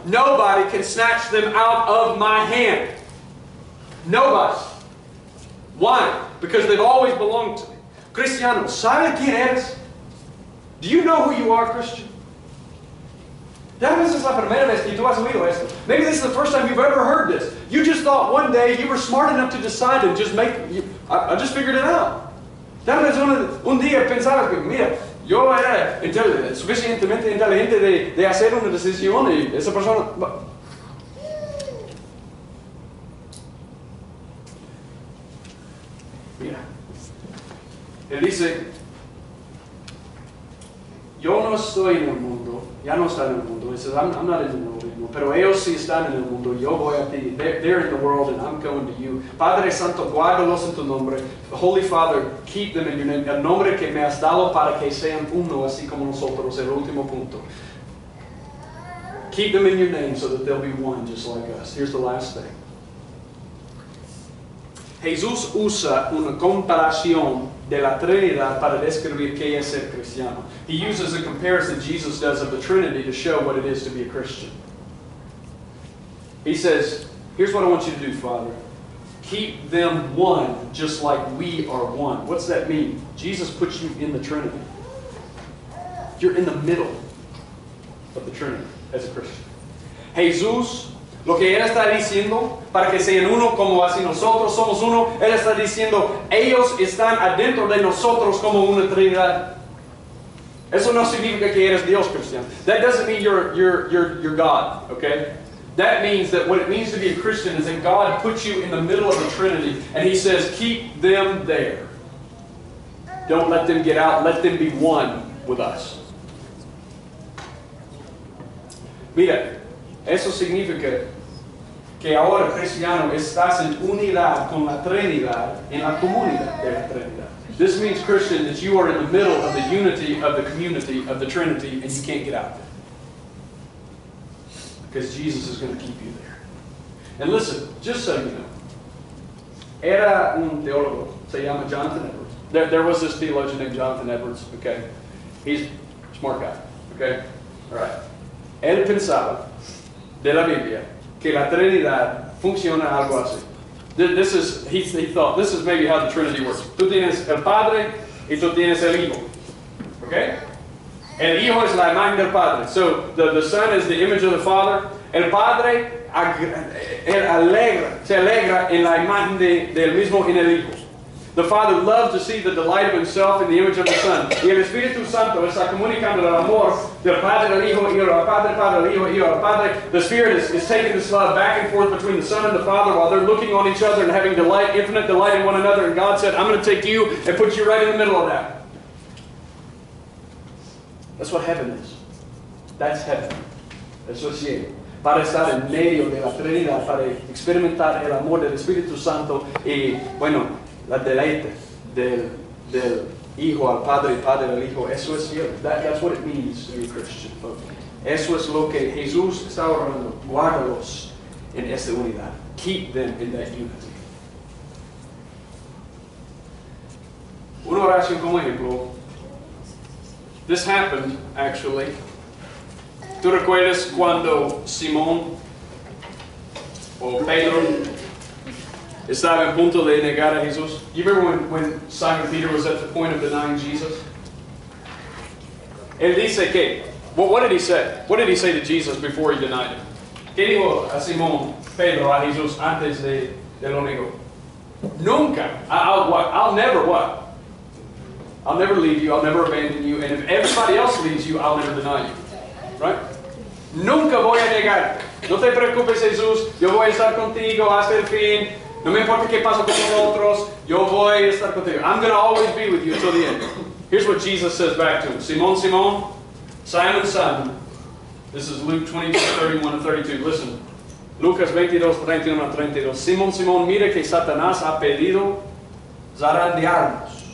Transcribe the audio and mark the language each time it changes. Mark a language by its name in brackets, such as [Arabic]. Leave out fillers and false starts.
[English] Nobody can snatch them out of my hand. Nobody. Why? Because they've always belonged to me. [Spanish] Cristiano, ¿sabe quién eres? [English] Do you know who you are, Christian? [Spanish] Tal vez es la primera vez que tú has oído esto. [English] Maybe this is the first time you've ever heard this. You just thought one day you were smart enough to decide and just make, I just figured it out. [Spanish] Tal vez un día pensabas que, mira, yo era suficientemente inteligente de hacer una decisión y esa persona... Él dice, yo no estoy en el mundo, ya no está en el mundo. [English] He says, I'm not in the world anymore. [Spanish] Pero ellos sí están en el mundo. Yo voy a ti. [English] They're in the world and I'm coming to you. [Spanish] Padre Santo, guárdalos en tu nombre. [English] Holy Father, keep them in your name. [Spanish] El nombre que me has dado para que sean uno, así como nosotros. El último punto. [English] Keep them in your name so that they'll be one just like us. Here's the last thing. [Spanish] Jesús usa una comparación de la Trinidad para describir qué es ser cristiano. [English] He uses a comparison Jesus does of the Trinity to show what it is to be a Christian. He says, here's what I want you to do, Father. Keep them one just like we are one. What's that mean? Jesus puts you in the Trinity. You're in the middle of the Trinity as a Christian. [Spanish] Jesús, lo que Él está diciendo, para que sean uno como así nosotros somos uno, Él está diciendo, ellos están adentro de nosotros como una Trinidad. Eso no significa que eres Dios, Cristian. [English] That doesn't mean you're God, okay? That means that what it means to be a Christian is that God puts you in the middle of the Trinity, and He says, keep them there. Don't let them get out. Let them be one with us. [Spanish] Mira, eso significa que ahora, Cristiano, estás en unidad con la Trinidad en la comunidad de la Trinidad. [English] This means, Christian, that you are in the middle of the unity of the community of the Trinity and you can't get out there. Because Jesus is going to keep you there. And listen, just so you know, [Spanish] era un teólogo, se llama Jonathan Edwards. [English] There was this theologian named Jonathan Edwards, okay? He's a smart guy, okay? All right. [Spanish] Él pensaba de la Biblia que la Trinidad funciona algo así. [English] This is, he thought, this is maybe how the Trinity works. [Spanish] Tú tienes el Padre y tú tienes el Hijo. Okay? El Hijo es la imagen del Padre. [English] So, the Son is the image of the Father. [Spanish] El Padre se alegra en la imagen del mismo en el Hijo. [English] The Father loves to see the delight of Himself in the image of the Son. [Spanish] Y el Espíritu Santo está comunicando el amor del Padre al Hijo y al Padre al Hijo y al Padre. [English] The Spirit is taking this love back and forth between the Son and the Father while they're looking on each other and having delight, infinite delight in one another. And God said, I'm going to take you and put you right in the middle of that. That's what heaven is. That's heaven. [Spanish] Eso es cielo. Para estar en medio de la Trinidad, para experimentar el amor del Espíritu Santo y, bueno, la deleite del Hijo al Padre y Padre al Hijo. Eso es cielo. [English] That's what it means to be a Christian. [Spanish] But eso es lo que Jesús está orando. Guárdalos en esta unidad. [English] Keep them in that unity. [Spanish] Una oración como ejemplo. [English] This happened, actually. [Spanish] ¿Tú recuerdas cuando Simón o Pedro estaba en punto de negar a Jesús? [English] You remember when Simon Peter was at the point of denying Jesus? [Spanish] Él dice que, [English] what did he say? What did he say to Jesus before he denied him? [Spanish] ¿Qué dijo a Simón, Pedro, a Jesús antes de lo negó? Nunca. [English] I'll never leave you, I'll never abandon you, and if everybody else leaves you, I'll never deny you. [Spanish] Right? Nunca voy a negar. No te preocupes, Jesús, yo voy a estar contigo hasta el fin. No me importa qué pasa con nosotros, yo voy a estar contigo. [English] I'm going to always be with you until the end. Here's what Jesus says back to him. Simón, Simón, Simon, Simon. This is Luke 22, 31 and 32. Listen. [Spanish] Lucas 22, 31 a 32. Simón, Simón, mire que Satanás ha pedido zarandearnos.